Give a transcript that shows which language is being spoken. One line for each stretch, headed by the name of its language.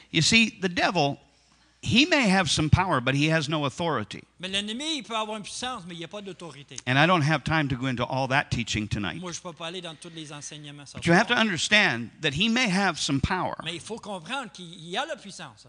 English: You see, the devil, he may have some power, but he has no authority.
French: Mais l'ennemi, il peut avoir une puissance, mais il n'y a pas d'autorité.
English: And I don't have time to go into all that teaching tonight.
French: Moi, je peux pas aller dans tous les enseignements.
English: But you have to understand that he may have some power.
French: Mais il faut comprendre qu'il y a la puissance.